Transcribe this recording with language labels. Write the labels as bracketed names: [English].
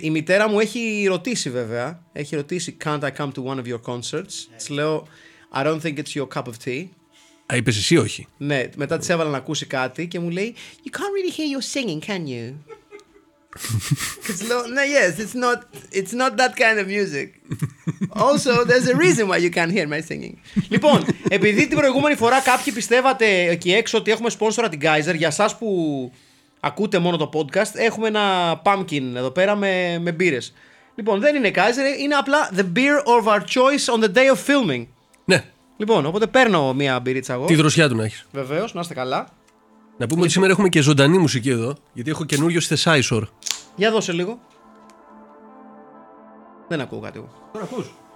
[Greek] Η μητέρα μου έχει ρωτήσει, βέβαια. Έχει ρωτήσει, [English] can't I come to one of your concerts? [Greek] Της λέω, [English] I don't think it's your cup of tea. [Greek] Α, είπες εσύ όχι. Ναι, μετά της έβαλα να ακούσει κάτι και μου λέει, [English] you can't really hear your singing, can you? yes, it's not that kind of music. Also, there's a reason why you can't hear my singing. [Greek] Λοιπόν, επειδή την προηγούμενη φορά κάποιοι πιστεύατε εκεί έξω ότι έχουμε σπόνσορα την Kaiser, για εσάς που ακούτε μόνο το podcast, έχουμε ένα pumpkin εδώ πέρα με μπύρες. Λοιπόν, δεν είναι Kaiser, είναι απλά [English] the beer of our choice on the day of filming. [Greek] Ναι. Λοιπόν, οπότε παίρνω μία μπυρίτσα εγώ. Τη δροσιά του να έχεις. Βεβαίως, να είστε καλά. Να πούμε ότι σήμερα έχουμε και ζωντανή μουσική εδώ, γιατί έχω καινούριο Thesizer. Για δώσε λίγο. Δεν ακούω κάτι εγώ. Τώρα ακούς.